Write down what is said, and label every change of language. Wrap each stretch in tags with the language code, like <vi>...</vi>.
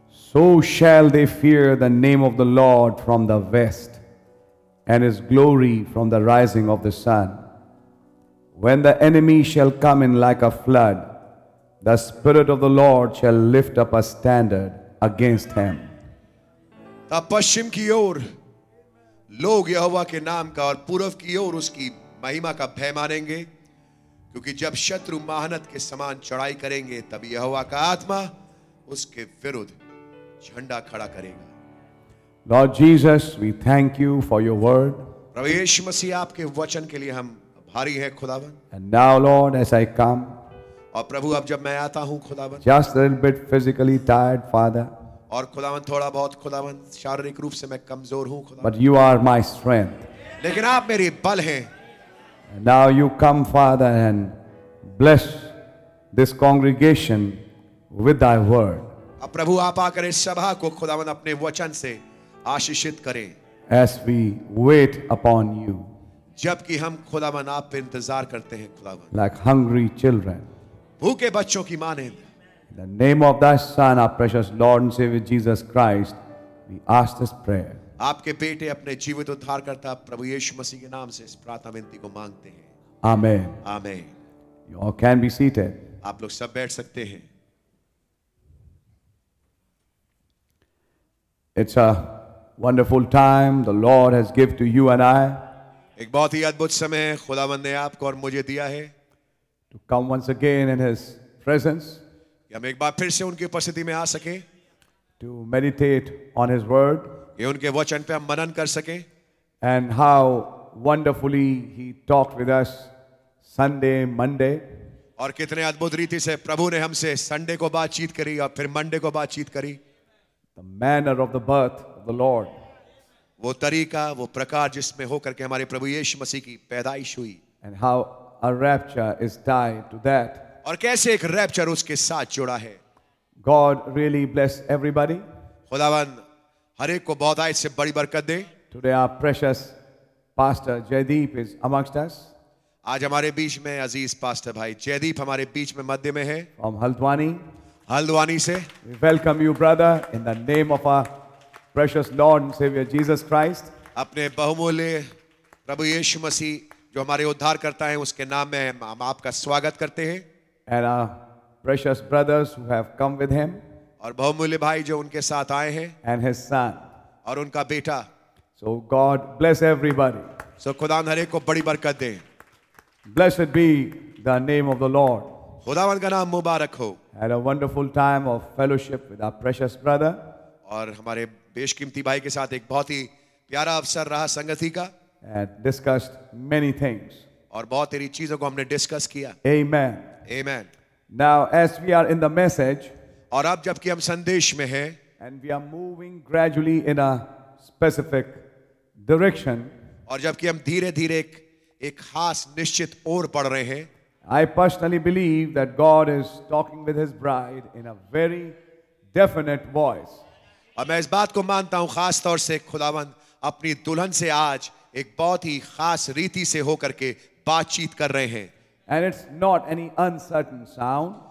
<en>So shall they fear the name of the Lord from the west, and his glory from the rising of the sun. When the enemy shall come in like a flood, the Spirit of the Lord shall lift up a standard against him.</en> <hi>तब पश्चिम की ओर लोग यहोवा के नाम का और पूर्व की ओर उसकी महिमा का भय मानेंगे, क्योंकि जब शत्रु महानद के समान चढ़ाई करेंगे तब यहोवा का आत्मा उसके विरुद्ध झंडा खड़ा करेगा.</hi> <en>Lord Jesus, we thank you for your word.</en> <hi>प्रभु यीशु मसीह आपके वचन के लिए हम आभारी हैं खुदावन.</hi> <en>And now Lord, as I come,</en> <hi>और प्रभु अब जब मैं आता हूँ खुदावन,</hi> <en>just a little bit physically tired, Father,</en> <hi>और खुदावन थोड़ा बहुत खुदावन शारीरिक रूप से मैं कमजोर हूँ,</hi> <en>but you are my strength,</en> <hi>लेकिन आप मेरी बल हैं.</hi> <en>Now you come, Father, and bless this congregation with thy word.</en> <hi>अब प्रभु आप आकर इस सभा को खुदावन अपने वचन से आशीषित करें.</hi> <en>As we wait upon you,</en> <hi>जबकि हम खुदावन आप पे इंतजार करते हैं खुदावन,</hi> <en>like hungry children,</en> <hi>भूखे बच्चों की मानिंद.</hi> <en>In the name of thy son, our precious Lord and Savior Jesus Christ, we ask this prayer.</en> <hi>आपके बेटे अपने जीवित उद्धारकर्ता प्रभु यीशु मसीह के नाम से इस प्रार्थना विनती को मांगते हैं. आमेन. आमेन.</hi> <en>You all can be seated.</en> <hi>आप लोग सब बैठ सकते हैं.</hi> <en>It's a wonderful time the Lord has given to you and I.</en> <hi>एक बहुत ही अद्भुत समय खुदावंद ने आपको और मुझे दिया है.</hi> <en>to come once again in his presence.</en> <hi>कि हम एक बार फिर से उनकी उपस्थिति में आ सके.</hi> <en>To meditate on his word.</en> <hi>ये उनके वचन पे हम मनन कर सके.</hi> <en>And how wonderfully he talked with us Sunday, Monday.</en> <hi>और कितने अद्भुत रीति से प्रभु ने हमसे संडे को बातचीत करी और फिर मंडे को बातचीत करी.</hi> <en>The manner of the birth of the Lord.</en> <hi>वो तरीका, वो प्रकार जिसमें होकर के हमारे प्रभु यीशु मसीह की पैदाइश हुई.</hi> <en>And how our rapture is tied to that.</en> <hi>और कैसे एक रैप्चर उसके साथ जुड़ा है.</hi> <en>God really bless everybody.</en> <hi>खुदावन हर एक को बहुत आयत से बड़ी बरकत दे.</hi> <en>Today our precious Pastor Jaydeep is amongst us.</en> <hi>आज हमारे बीच में अजीज पास्टर भाई जयदीप हमारे बीच में मध्य में है.</hi> <en>From Haldwani.</en> <hi>हल्द्वानी से.</hi> <en>We welcome you brother in the name of our precious Lord and Savior Jesus Christ.</en> <hi>अपने बहुमूल्य प्रभु यीशु मसीह जो हमारे उद्धार करता है उसके नाम में हम आपका स्वागत करते हैं.</hi> <en>And our precious brothers who have come with him.</en> <hi>और बहुमूल्य भाई जो उनके साथ आए हैं.</hi> <en>And his son.</en> <hi>और उनका बेटा.</hi> <en>So God bless everybody.</en> <hi>So खुदा हर एक को बड़ी बरकत दे.</hi> <en>Blessed be the name of the Lord.</en> <hi>खुदावन का नाम मुबारक हो.</hi> <en>Had a wonderful time of fellowship with our precious brother.</en> <hi>और हमारे बेशकीमती भाई के साथ एक बहुत ही प्यारा अवसर रहा संगति का.</hi> <en>And discussed many things.</en> <hi>और बहुत सारी चीजों को हमने डिस्कस किया.</hi> <en>Amen. Amen. Now as we are in the message.</en> <hi>और अब जबकि हम संदेश में हैं.</hi> <en>And we are moving gradually in a specific direction.</en> <hi>और जबकि हम धीरे-धीरे एक खास निश्चित ओर पढ़ रहे हैं.</hi> <en>I personally believe that God is talking with his bride in a very definite voice.</en> <hi>और मैं इस बात को मानता हूं खास तौर से खुदावंद अपनी दुल्हन से आज एक बहुत ही खास रीति से होकर के बातचीत कर रहे हैं.</hi> <en>And it's not any uncertain sound.</en>